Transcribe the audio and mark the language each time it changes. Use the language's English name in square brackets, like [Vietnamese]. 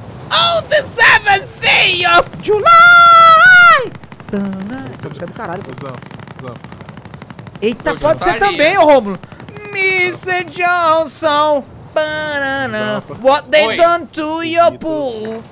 [English] All the seventh day of July! [Portuguese] Essa música é do caralho, pô. Eita, pode ser também, ô Rômulo. [English] Mr. Johnson! Banana! What they done to your pool?